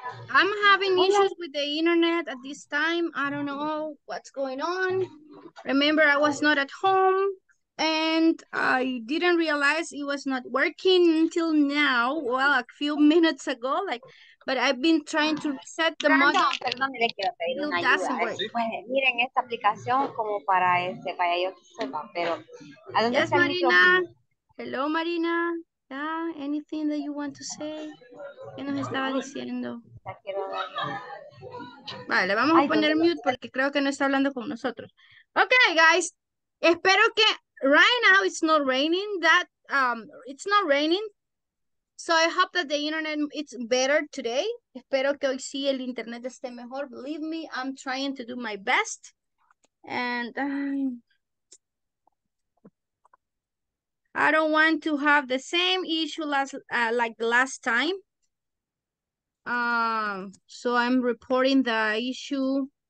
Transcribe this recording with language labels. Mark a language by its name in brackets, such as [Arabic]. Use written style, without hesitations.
[English] I'm having issues with the internet at this time. I don't know what's going on. Remember, I was not at home, and I didn't realize it was not working until now. Well, a few minutes ago, like, but I've been trying to reset the [Spanish] module. Perdón, le quiero pedir una ayuda. Pues miren esta aplicación como para este, para ellos que sepan, pero ¿a dónde está Marina? [English] Hello, Marina. Yeah, anything that you want to say? [Spanish] ¿Qué nos estaba diciendo? Vale, vamos a poner mute porque creo que no está hablando con nosotros. [English] Okay, guys. [Spanish] Espero que [English] right now it's not raining. That it's not raining. So I hope that the internet it's better today. [Spanish] Espero que hoy sí el internet esté mejor. [English] Believe me, I'm trying to do my best. And I don't want to have the same issue as like the last time. So I'm reporting the issue.